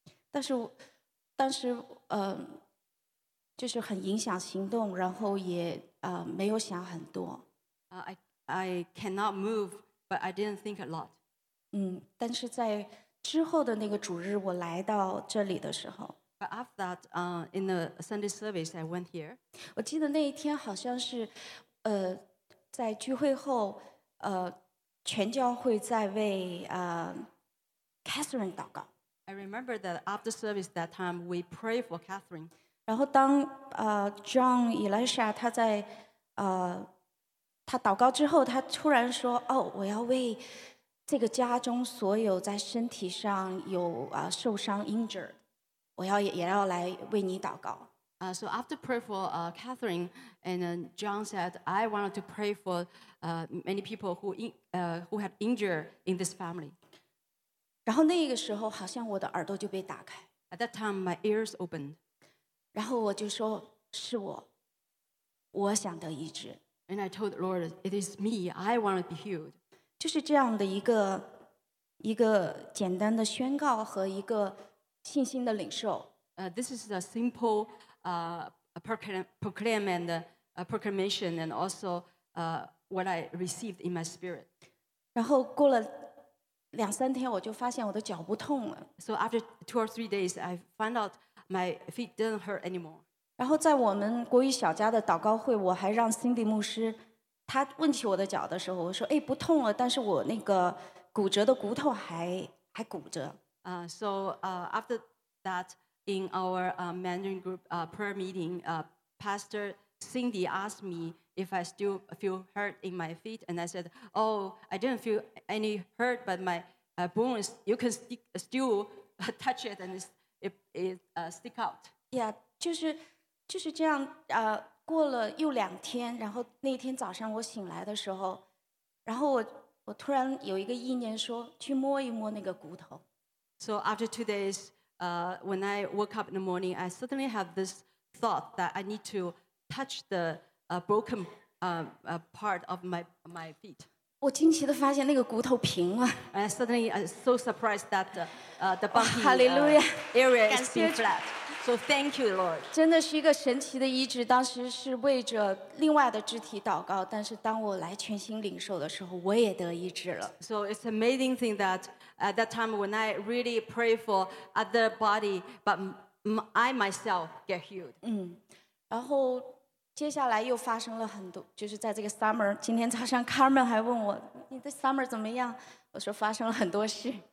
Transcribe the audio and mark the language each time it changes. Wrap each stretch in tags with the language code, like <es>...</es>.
<zh>但是，当时就是很影响行动，然后也没有想很多。</zh> <en>I cannot move, but I didn't think a lot.</en> <zh>但是在之后的那个主日，我来到这里的时候。</zh> <en>But after that, in the Sunday service, I went here.</en> <zh>我记得那一天好像是，在聚会后，全教会在为Catherine 祷告。</zh> <en>I remember that after service that time we pray for Catherine.</en> <zh>然后当John Elisha 他在他祷告之后，他突然说：“哦，我要为这个家中所有在身体上有受伤 injured， 我要也要来为你祷告。”</zh> <en>So after prayer for Catherine, and then John said, "I wanted to pray for many people who have injured in this family."</en> <zh>然后那个时候，好像我的耳朵就被打开。</zh> <en>At that time, my ears opened.</en> <zh>然后我就说：“是我，我想得医治。”</zh> <en>And I told the Lord, "It is me. I want to be healed."</en> <zh>就是这样的一个简单的宣告和一个信心的领受。</zh> <en>This is a simple proclamation, and also what I received in my spirit.</en> <zh>然后过了两三天，我就发现我的脚不痛了。</zh> <en>So after two or three days, I found out my feet didn't hurt anymore.</en> <zh>然后在我们国语小家的祷告会，我还让 Cindy 牧师，他问起我的脚的时候，我说：“哎，不痛了，但是我那个骨折的骨头还骨折。”</zh> <en>So after that. In our Mandarin group prayer meeting, Pastor Cindy asked me if I still feel hurt in my feet, and I said, "Oh, I didn't feel any hurt, but my bones, you can still touch it, and it stick out."</en> <zh>Yeah, 就是这样。过了又两天，然后那天早上我醒来的时候，然后我突然有一个意念说，去摸一摸那个骨头。</zh> <en>So after 2 days. When I woke up in the morning, I suddenly have this thought that I need to touch the broken part of my feet.</en> <zh>我惊奇地发现那个骨头平了。</zh> <en>And suddenly, I'm so surprised that the bumpy area is being flat. So thank you, Lord.</en> <zh>真的是一个神奇的医治。当时是为着另外的肢体祷告，但是当我来全心领受的时候，我也得医治了。</zh> <en>So it's an amazing thing that. At that time, when I really pray for other body, but I myself get healed.</en> <zh>然后接下来又发生了很多，就是在这个 summer. 今天早上 Carmen 还问我，你的 summer 怎么样？我说发生了很多事。</zh>